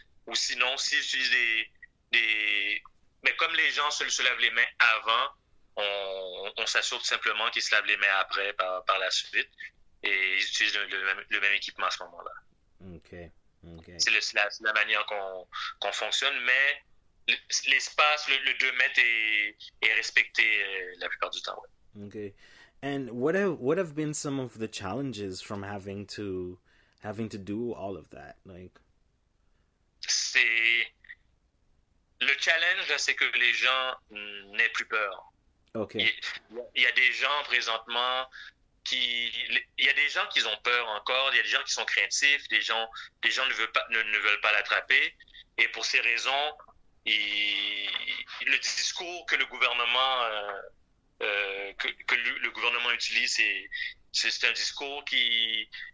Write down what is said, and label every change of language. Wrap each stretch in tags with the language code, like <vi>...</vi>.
<fr>Ou sinon, s'ils utilisent mais comme les gens se lavent les mains avant, on s'assure tout simplement qu'ils se lavent les mains après par la suite et ils utilisent le même équipement à ce moment-là. Okay. C'est la manière qu'on fonctionne, mais l'espace, le 2 mètres est respecté la plupart du temps, ouais. Okay.</fr> <en>And what have been some of the challenges from having to do all of that? Like,</en> <fr>c'est le challenge là, c'est que les gens n'aient plus peur. Okay. Il y a des gens présentement qui ont peur encore, il y a des gens qui sont craintifs, des gens ne veulent pas l'attraper, et pour ces raisons, et le discours que le gouvernement utilise, c'est un discours qui</fr>